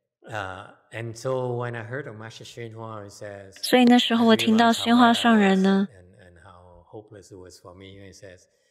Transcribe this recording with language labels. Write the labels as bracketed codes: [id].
[en] And so when I heard of Master Xuanhua, he says... [zh] 所以那时候我听到宣化上人呢。 [en] And how hopeless it was for me, he says...